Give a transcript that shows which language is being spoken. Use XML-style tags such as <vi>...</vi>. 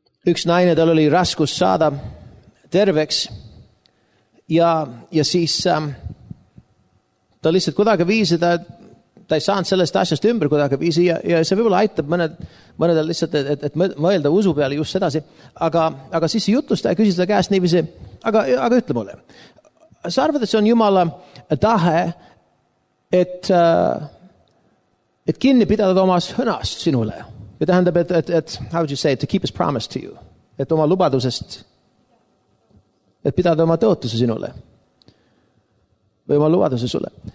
<et>Üks naine, tal oli raskus saada terveks ja siis ta lihtsalt kuidagi viisi, ta ei saanud sellest asjast ümber kuidagi viisi ja see võibolla aitab mõnedel lihtsalt, et mõelda usu peale just sedasi, aga siis see jutlust ei küsida käest niiviisi, aga ütle mulle, sa arvad, et see on Jumala tahe, et kinni pidada oma sõnast sinule. Ja tähendab, et</et> <en>how would you say, to keep his promise to you.</en> <et>Et oma lubadusest, et pidada oma tõotuse sinule. Või oma lubaduse sulle.</et>